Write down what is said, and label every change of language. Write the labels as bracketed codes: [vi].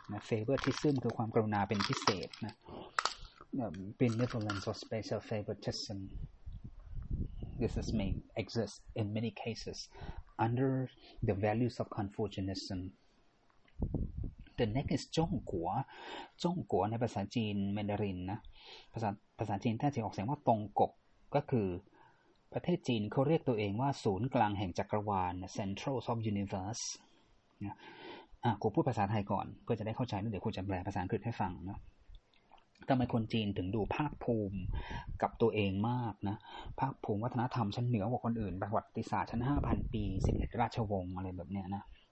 [en] Favoritism [th] คือความกรุณาเป็นพิเศษ [en] Benevolence or special favoritism. This is may exist in many cases under the values of Confucianism. The next is [th] จงกัวจงกัวในภาษาจีนแมนดารินนะภาษาจีนถ้าจะออกเสียงว่าตงกกก็คือประเทศจีนเขาเรียกตัวเองว่าศูนย์กลางแห่งจักรวาล [en] Central of Universe [th] นะครูพูดภาษาไทยก่อนเพื่อจะได้เข้าใจแล้วเดี๋ยวครูจะแปลภาษาอังกฤษให้ฟังนะทำไมคนจีนถึงดูภาคภูมิกับตัวเองมากนะภาคภูมิวัฒนธรรมชั้นเหนือกว่าคนอื่นประวัติศาสตร์ชั้น 5,000 ปี 11 ราชวงศ์อะไรแบบเนี้ยนะ